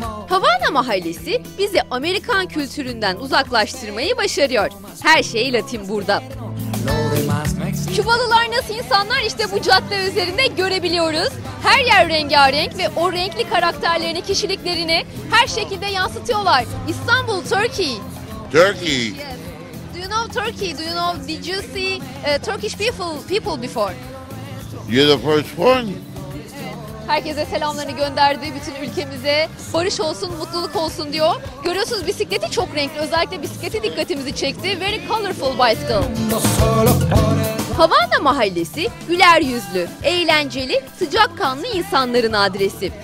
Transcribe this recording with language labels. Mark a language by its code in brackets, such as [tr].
[tr] Havana mahallesi bizi Amerikan kültüründen uzaklaştırmayı başarıyor. Her şey Latin burada. Kübalılar nasıl insanlar, işte bu cadde üzerinde görebiliyoruz. Her yer rengarenk ve o renkli karakterlerini, kişiliklerini her şekilde yansıtıyorlar. [en] İstanbul, Turkey. Turkey. Do you know Turkey? Do you know, did you see Turkish people before? You're the first one. [tr] Herkese selamlarını gönderdi, bütün ülkemize barış olsun, mutluluk olsun diyor. Görüyorsunuz bisikleti çok renkli, özellikle bisikleti dikkatimizi çekti. [en] Very colorful bicycle. [tr] Havana mahallesi güler yüzlü, eğlenceli, sıcakkanlı insanların adresi.